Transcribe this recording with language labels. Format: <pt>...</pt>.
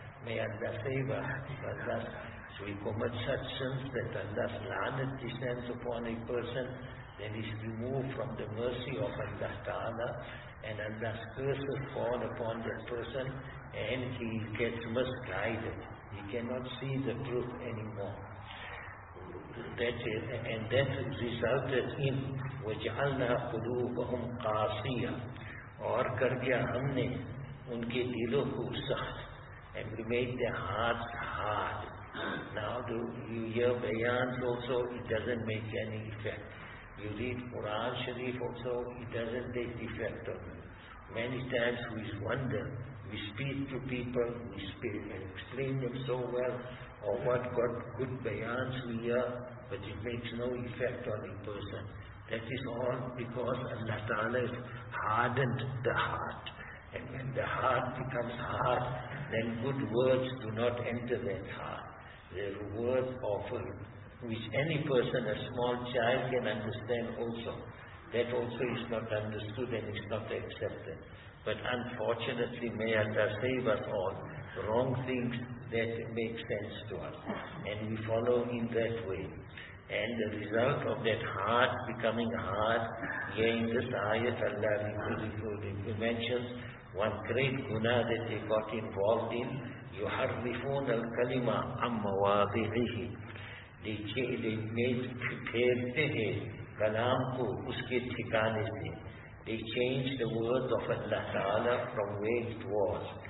<en>May Allah favor Allah. So we commit such sins that Allah's la'anat descends upon a person, then he's removed from the mercy of Allah Ta'ala, and Allah's curses fall upon that person, and he gets misguided. He cannot see the truth anymore. That is, and that resulted in</en> <ar>وَجَعَلْنَا قُلُوبَهُمْ قَاسِيًا</ar> <ur>اور کر گیا ہم نے ان کے دلوں کو سخت,</ur> <en>and we made their hearts hard. Now you hear bayans also, it doesn't make any effect. You read Quran Sharif also, it doesn't take effect on you. Many times we wonder, we speak to people, we speak and explain them so well, or what good bayans we hear, but it makes no effect on a person. That is all because Allah Ta'ala has hardened the heart. And when the heart becomes hard, then good words do not enter that heart. The word offered, which any person, a small child, can understand also. That also is not understood and is not accepted. But unfortunately, may Allah save us all, wrong things that make sense to us. And we follow in that way. And the result of that heart becoming hard, here in this ayat Allah he mentions one great guna that they got involved in.</en> <ar>يُحَرِّفُونَ الْكَلِمَ عَمَّ وَاضِعِهِ.</ar> <en>They made</en> <ur>پھیرتے ہیں کلام کو اس کے ٹھکانے سے.</ur> <en>They changed the words of Allah Ta'ala from where it was.</en>